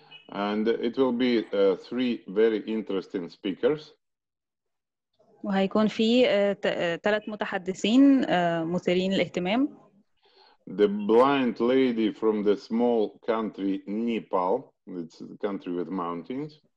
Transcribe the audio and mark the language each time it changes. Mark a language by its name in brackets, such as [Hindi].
[English] And it will be three very interesting speakers. [Arabic] وهيكون في ثلاث متحدثين مثيرين للاهتمام. [English] The blind lady from the small country Nepal, it's a country with mountains.